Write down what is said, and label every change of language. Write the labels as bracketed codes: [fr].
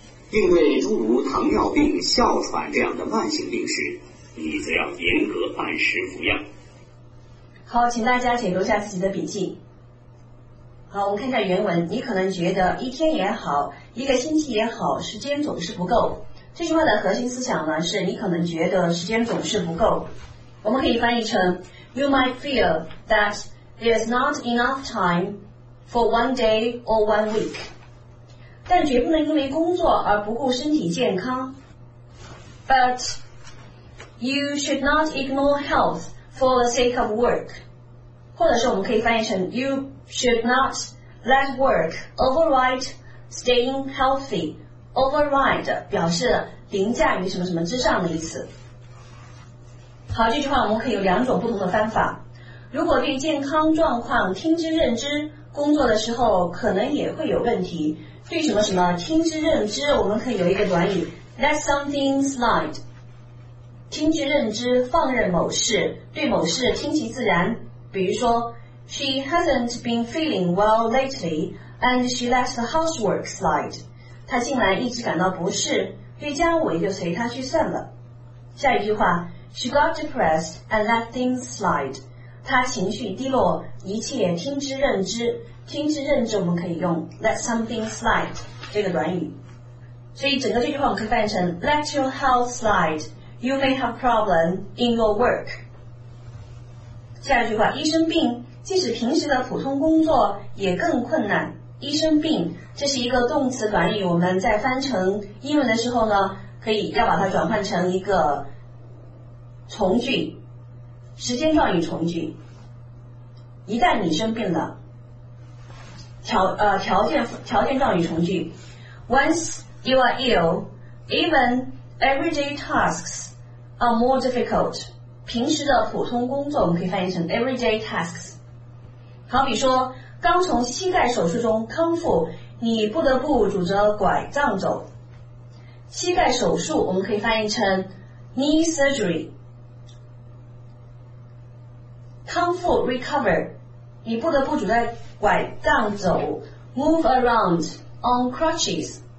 [zh] 应对诸如糖尿病、哮喘这样的慢性病时，你则要严格按时服药。好，请大家解读一下自己的笔记。好，我们看一下原文。你可能觉得一天也好，一个星期也好，时间总是不够。这句话的核心思想呢，是你可能觉得时间总是不够。我们可以翻译成 [en] You might feel that there is not enough time for one day or one week. [zh] 但绝不能因为工作而不顾身体健康。 [en] But you should not ignore health for the sake of work. [zh] 或者是我们可以翻译成 [en] You should not let work override staying healthy. [zh] Override 表示凌驾于什么什么之上的意思。好，这句话我们可以有两种不同的方法。如果对健康状况听之任之，工作的时候可能也会有问题。对什么什么听之任之，我们可以有一个短语 [en] Let something slide， [zh] 听之任之，放任某事，对某事听其自然。 [en] 比如说 She hasn't been feeling well lately and she let the housework slide。 [zh] 他近来一直感到不适，对家务也就随他去算了。下一句话 [en] She got depressed and let things slide， [zh] 她情绪低落，一切听之任之。听之任之我们可以用 [en] let something slide [zh] 这个短语，所以整个这句话我们可以翻译成 [en] Let your health slide, you may have problem in your work。 [zh] 下一句话，医生病即使平时的普通工作也更困难。医生病，这是一个动词短语，我们在翻成英文的时候呢，可以要把它转换成一个从句，时间状语从句。一旦你生病了，条件状语从句。 [en] Once you are ill, even everyday tasks are more difficult。 [zh] 平时的普通工作我们可以翻译成 everyday tasks。好比说刚从膝盖手术中康复，你不得不拄着拐杖走。膝盖手术我们可以翻译成 knee surgery。康复 recover， 你不得不拄着拐杖走 [en] move around on crutches。